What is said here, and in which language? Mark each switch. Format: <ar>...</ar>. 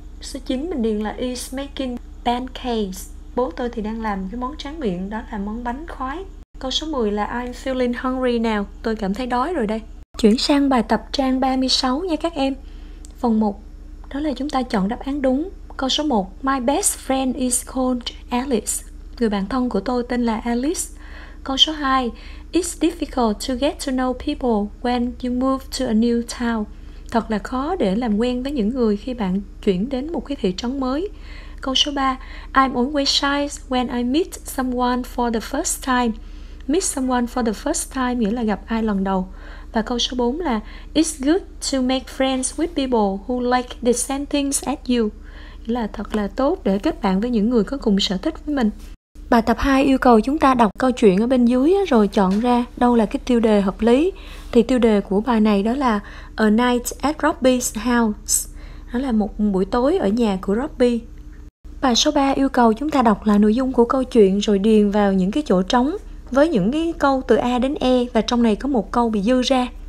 <vi>Số 9 mình điền là</vi> <en>is making pancakes.</en> <vi>Bố tôi thì đang làm cái món tráng miệng, đó là món bánh khoái. Câu số 10 là</vi> <en>I'm feeling hungry now.</en> <vi>Tôi cảm thấy đói rồi đây. Chuyển sang bài tập trang 36 nha các em. Phần 1, đó là chúng ta chọn đáp án đúng. Câu số 1,</vi> <en>my best friend is called Alice.</en> <vi>Người bạn thân của tôi tên là Alice. Câu số 2,</vi> <en>it's difficult to get to know people when you move to a new town.</en> <vi>Thật là khó để làm quen với những người khi bạn chuyển đến một cái thị trấn mới. Câu số 3,</vi> <en>I'm always shy when I meet someone for the first time. Meet someone for the first time</en> <vi>nghĩa là gặp ai lần đầu. Và câu số 4 là</vi> <en>it's good to make friends with people who like the same things as you.</en> <vi>Nghĩa là thật là tốt để kết bạn với những người có cùng sở thích với mình. Bài tập 2 yêu cầu chúng ta đọc câu chuyện ở bên dưới rồi chọn ra đâu là cái tiêu đề hợp lý. Thì tiêu đề của bài này đó là A Night at Robbie's House. Đó là một buổi tối ở nhà của Robbie. Bài số 3 yêu cầu chúng ta đọc lại nội dung của câu chuyện rồi điền vào những cái chỗ trống với những cái câu từ A đến E và trong này có một câu bị dư ra.</vi>